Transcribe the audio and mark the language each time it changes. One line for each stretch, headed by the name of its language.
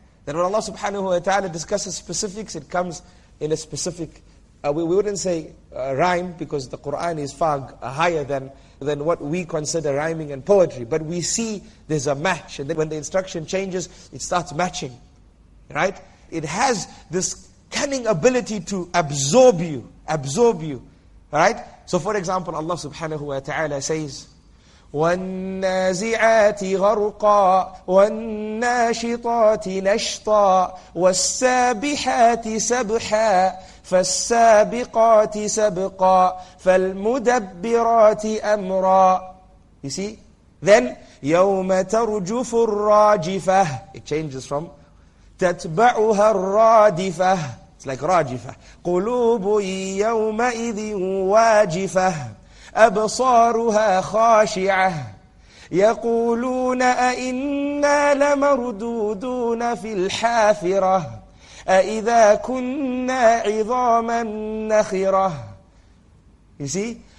English: Then when Allah subhanahu wa ta'ala discusses specifics, it comes in a specific, we wouldn't say rhyme, because the Quran is far higher than what we consider rhyming and poetry. But we see there's a match. And then when the instruction changes, it starts matching. Right? It has this cunning ability to absorb you, right? So for example, Allah subhanahu wa ta'ala says,
Arabic: وَالنَّازِعَاتِ غَرْقَى وَالنَّاشِطَاتِ نَشْطَى وَالسَّابِحَاتِ سَبْحَى فَالسَّابِقَاتِ سَبْقَى فَالْمُدَبِّرَاتِ أَمْرَى.
English: You see? Then,
Arabic: يَوْمَ تَرْجُفُ الرَّاجِفَةِ.
English: It changes from
Arabic: تَتْبَعُهَا الرَّادِفَةِ.
English: It's like rajifah.
Arabic: قُلُوبُي يَوْمَئِذٍ وَاجِفَةٍ أَبْصَارُهَا خَاشِعَةٍ يَقُولُونَ أَإِنَّا لَمَرْدُودُونَ فِي الْحَافِرَةِ أَإِذَا كُنَّا عِظَامًا نَخِرَةٍ.
English: You see?